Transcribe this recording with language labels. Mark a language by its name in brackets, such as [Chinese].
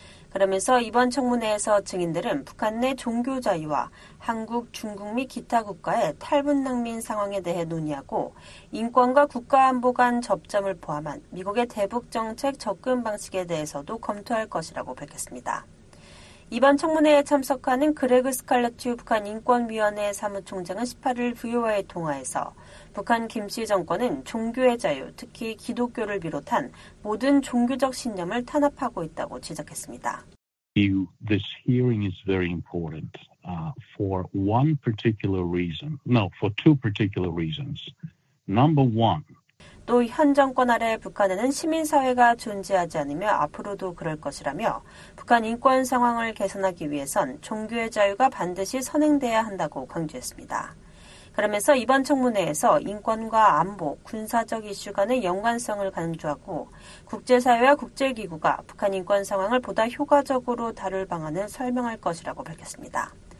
[Korean] 그러면서 이번 청문회에서 증인들은 북한 내 종교 자유와 한국, 중국 및 기타 국가의 탈북난민 상황에 대해 논의하고 인권과 국가안보 간 접점을 포함한 미국의 대북정책 접근 방식에 대해서도 검토할 것이라고 밝혔습니다. 이번 청문회에 참석하는 그레그 스칼레트 북한인권위원회 사무총장은 18일 VOA 통화에서 북한 김씨 정권은 종교의 자유, 특히 기독교를 비롯한 모든 종교적 신념을 탄압하고 있다고 지적했습니다. [English] This hearing is very important for one particular reason. No, for two particular reasons. Number one. [Korean] 또 현 정권 아래 북한에는 시민사회가 존재하지 않으며 앞으로도 그럴 것이라며 북한 인권 상황을 개선하기 위해선 종교의 자유가 반드시 선행돼야 한다고 강조했습니다. 그러면서 이번 청문회에서 인권과 안보, 군사적 이슈 간의 연관성을 강조하고 국제사회와 국제기구가 북한 인권 상황을 보다 효과적으로 다룰 방안을 설명할 것이라고 밝혔습니다.